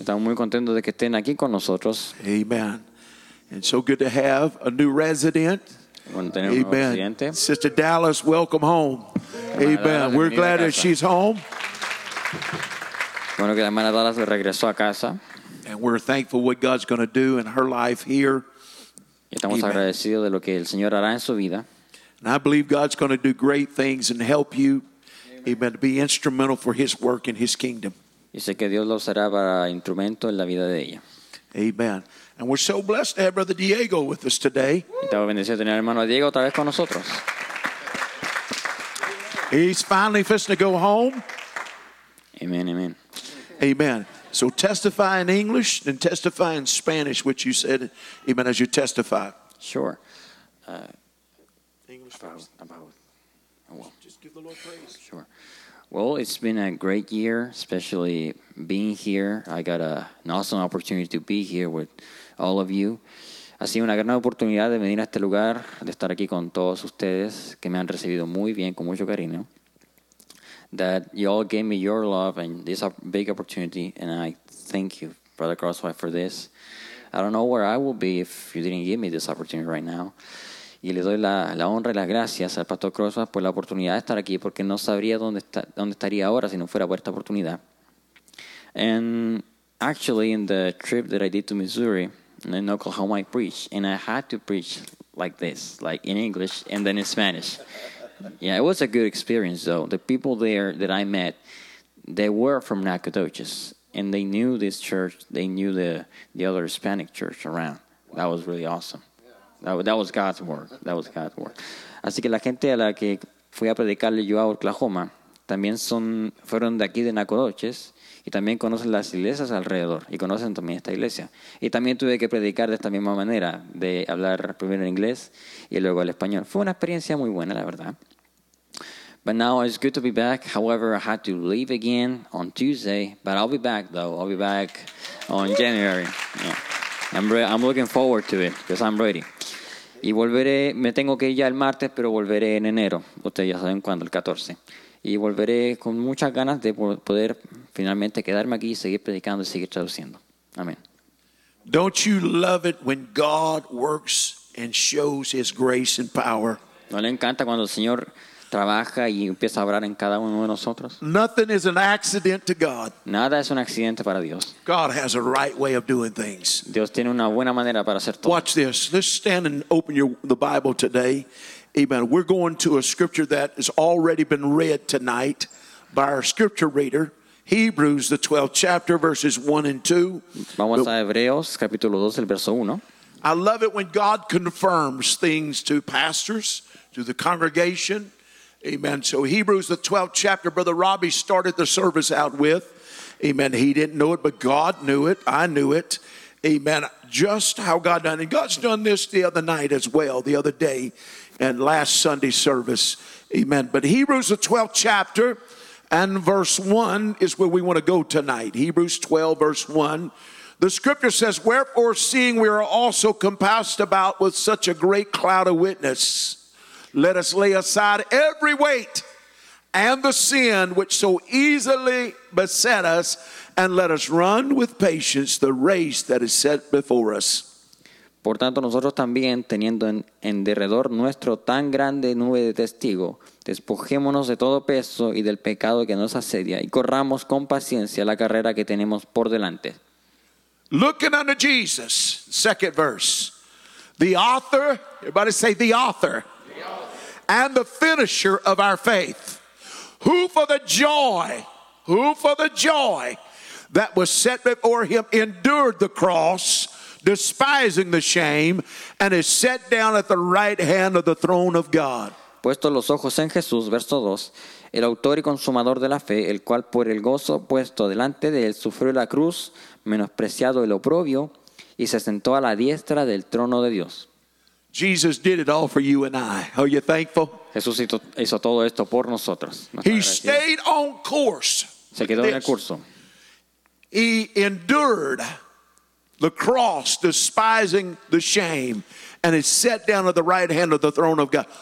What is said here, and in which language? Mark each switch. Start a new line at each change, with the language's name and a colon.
Spanish: Estamos muy contentos de que estén aquí con nosotros.
English: Amen. And so good to have a new resident. Amen. Sister Dallas, welcome home. Amen. We're glad that she's home.
Spanish: Bueno, que la hermana Dallas regresó a casa.
English: And we're thankful what God's going to do in her life here.
Spanish: Estamos agradecidos de lo que el Señor hará en su vida.
English: And I believe God's going to do great things and help you, amen, to be instrumental for his work in his kingdom.
Spanish: Y sé que Dios lo será para instrumento en la vida de ella.
English: Amen. And we're so blessed to have Brother Diego with us today.
Spanish: Estamos bendecidos de tener al hermano Diego otra vez con nosotros.
English: He's finally fixing to go home. Amen, amen. Amen. So testify in English and testify in Spanish, which you said, amen, as you testify. Sure. English first. Just give the Lord praise. Sure. Well, it's been a great year, especially being here. I got an awesome opportunity to be here with all of you.
Spanish: Ha sido una gran oportunidad de venir a este lugar, de estar aquí con todos ustedes, que me han recibido muy bien, con mucho cariño.
English: That you all gave me your love and this big opportunity, and I thank you, Brother Crosswhite, for this. I don't know where I would be if you didn't give me this opportunity right now.
Spanish: Y le doy la honra y las gracias al Pastor Crosswhite por la oportunidad de estar aquí, porque no sabría dónde estaría ahora si no fuera por esta oportunidad.
English: And actually, in the trip that I did to Missouri, in Oklahoma, I preached, and I had to preach like this, like in English and then in Spanish. Yeah, it was a good experience, though. The people there that I met, they were from Nacogdoches, and they knew this church. They knew the other Hispanic church around. That was really awesome. That was God's work. That was God's work.
Spanish: Así que la gente a la que fui a predicarle yo a Oklahoma también fueron de aquí, de Nacogdoches, y también conocen las iglesias alrededor, y conocen también esta iglesia. Y también tuve que predicar de esta misma manera, de hablar primero en inglés y luego el español. Fue una experiencia muy buena, la verdad.
English: But now it's good to be back. However, I had to leave again on Tuesday, but I'll be back, though. I'll be back on January. Yeah. I'm looking forward to it, because I'm ready.
Spanish: Y volveré, me tengo que ir ya el martes, pero volveré en enero. Ustedes ya saben cuándo, el 14. Y volveré con muchas ganas de poder finalmente quedarme aquí y seguir predicando y seguir traduciendo. Amén.
English: Don't you love it when God works and shows his grace and power?
Spanish: ¿No le encanta cuando el Señor trabaja y empieza a obrar en cada uno de nosotros?
English: Nothing is an accident to God.
Spanish: Nada es un accidente para Dios.
English: God has a right way of doing things.
Spanish: Dios tiene una buena manera para hacer todo.
English: Watch this. Let's stand and open the Bible today. Amen. We're going to a scripture that has already been read tonight by our scripture reader, Hebrews, the 12th chapter, verses 1 and 2.
Spanish: Vamos a Hebreos, capítulo 2, el verso 1.
English: I love it when God confirms things to pastors, to the congregation. Amen. So Hebrews, the 12th chapter, Brother Robbie started the service out with. Amen. He didn't know it, but God knew it. I knew it. Amen. Just how God done. And God's done this the other night as well, the other day. And last Sunday service, amen. But Hebrews, the 12th chapter, and verse 1 is where we want to go tonight. Hebrews 12, verse 1. The scripture says, wherefore, seeing we are also compassed about with such a great cloud of witness, let us lay aside every weight and the sin which so easily beset us, and let us run with patience the race that is set before us.
Spanish: Por tanto, nosotros también, teniendo en derredor nuestro tan grande nube de testigo, despojémonos de todo peso y del pecado que nos asedia, y corramos con paciencia la carrera que tenemos por delante.
English: Looking unto Jesus, second verse. The author, everybody say the author. The author. And the finisher of our faith. Who for the joy that was set before him endured the cross, despising the shame, and is set down at the right hand of the throne of God.
Spanish: Puesto los ojos en Jesús, verso 2, el autor y consumador de la fe, el cual por el gozo puesto delante de él sufrió la cruz, menospreciado el oprobio, y se sentó a la diestra del trono de Dios.
English: Jesus did it all for you and I. Are you thankful?
Spanish: Jesús hizo todo esto por nosotros.
English: He stayed on course.
Spanish: Se quedó en el curso.
English: He endured the cross, despising the shame, and is set down at the right hand of the throne of God.